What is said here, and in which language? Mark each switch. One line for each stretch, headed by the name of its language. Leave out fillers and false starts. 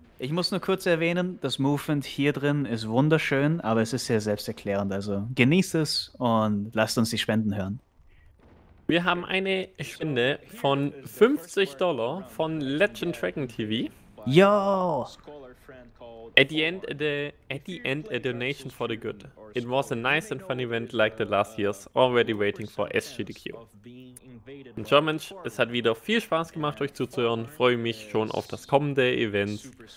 German: Ich muss nur kurz erwähnen, das Movement hier drin ist wunderschön, aber es ist sehr selbsterklärend. Also genießt es und lasst uns die Spenden hören. Wir haben eine Spende von $50 von Legend Dragon TV. Yo!
English: At the end, a donation for the good. It was a nice and fun event like the last years, already waiting for SGDQ.
German: Und schau, Mensch, es hat wieder viel Spaß gemacht, euch zuzuhören. Freue mich schon auf das kommende Event.